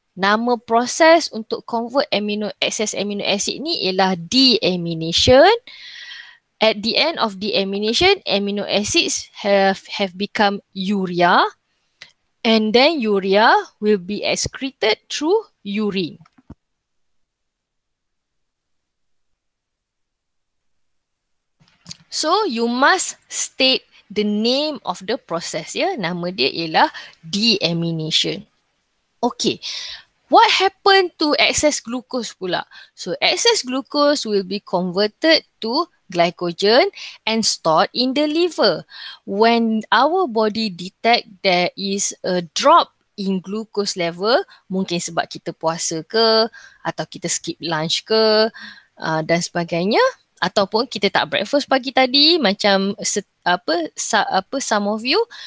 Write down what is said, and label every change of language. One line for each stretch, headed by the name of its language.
Malay: Nama proses untuk convert excess amino acid ni ialah deamination.
English: At the end of deamination, amino acids have become urea, and then urea will be excreted through urine. So you must state the name of the process ya.
Malay: Nama dia ialah deamination.
English: Okay, what happened to excess glucose pula? So excess glucose will be converted to glycogen and stored in the liver. When our body detect there is a drop in glucose level,
Malay: mungkin sebab kita puasa ke, atau kita skip lunch ke, dan sebagainya, ataupun kita tak breakfast pagi tadi, macam
English: some of you.